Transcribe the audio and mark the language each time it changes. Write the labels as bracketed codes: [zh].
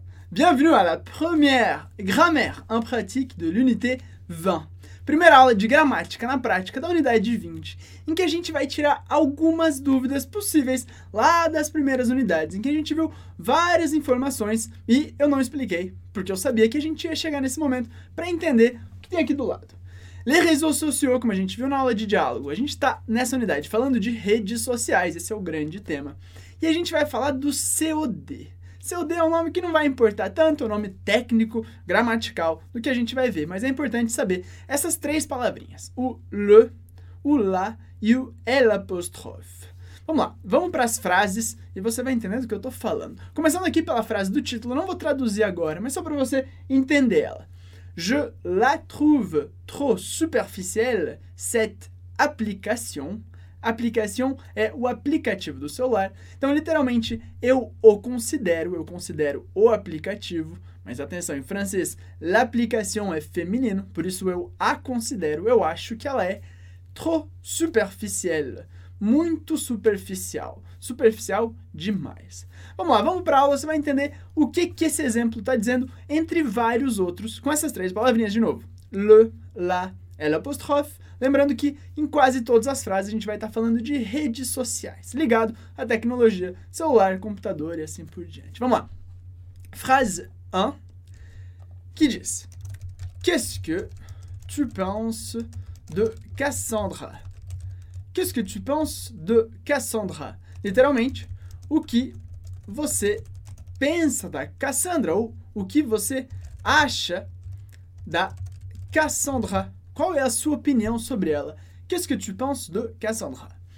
[fr] Bienvenue à la première grammaire impratique de l'unité 20. [pt] Primeira aula de gramática na prática da unidade 20, em que a gente vai tirar algumas dúvidas possíveis lá das primeiras unidades, em que a gente viu várias informações e eu não expliquei, porque eu sabia que a gente ia chegar nesse momento para entender o que tem aqui do lado. [fr] Les réseaux sociaux, [pt] como a gente viu na aula de diálogo, a gente está nessa unidade falando de redes sociais, esse é o grande tema. E a gente vai falar do COD. COD é um nome que não vai importar tanto, o nome técnico, gramatical, do que a gente vai ver, mas é importante saber essas três palavrinhas, o le, o la e o el apostrophe. Vamos lá, vamos para as frases e você vai entender do que eu estou falando. Começando aqui pela frase do título, não vou traduzir agora, mas só para você entender ela. [fr] Je la trouve trop superficielle, cette application. [pt] Application é o aplicativo do celular. Então, literalmente, eu considero o aplicativo. Mas atenção, em francês, l'application é feminino, por isso eu a considero, eu acho que ela é [fr] trop superficielle. [pt] Muito superficial. Superficial demais. Vamos lá, vamos para a aula, você vai entender o que, que esse exemplo está dizendo entre vários outros, com essas três palavrinhas de novo. Le, la, el apostrophe. Lembrando que em quase todas as frases a gente vai estar falando de redes sociais, ligado à tecnologia, celular, computador e assim por diante. Vamos lá. Frase 1, que diz: [fr] Qu'est-ce que tu penses de Cassandra? Qu'est-ce que tu penses de Cassandra? [pt] Literalmente, o que você pensa da Cassandra? Ou o que você acha da Cassandra? Qual é a sua opinião sobre ela? [fr] Qu'est-ce que tu penses de Cassandra?